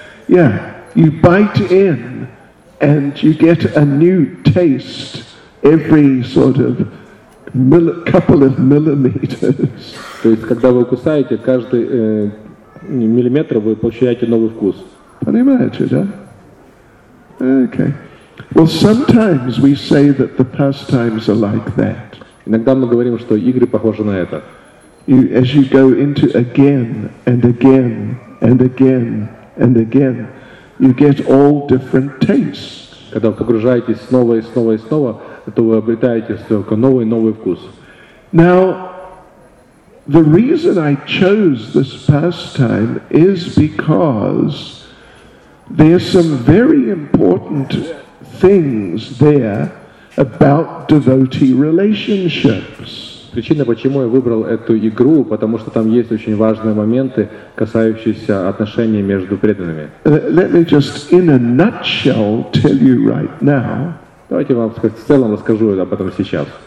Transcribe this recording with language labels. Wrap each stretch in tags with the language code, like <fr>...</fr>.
<en>Yeah, you bite in and you get a new taste every sort of couple of millimeters.</en> <ru>То есть когда вы кусаете, каждый миллиметр вы получаете новый вкус. Понимаете, да? Okay.</ru> <en>Well, sometimes we say that the pastimes are like that.</en> <ru>Иногда мы говорим, что игры похожи на это.</ru> <en>As you go into again and again and again and again, you get all different tastes.</en> <ru>Когда вы погружаетесь снова и снова и снова, то вы обретаете только новый и новый вкус.</ru> <en>Now, the reason I chose this pastime is because there are some very important things there about devotee relationships.</en> <ru>Причина, почему я выбрал эту игру, потому что там есть очень важные моменты, касающиеся отношений между преданными.</ru> <en>Let me just in a nutshell tell you right now.</en> <ru>Давайте вам в целом расскажу об этом сейчас.</ru>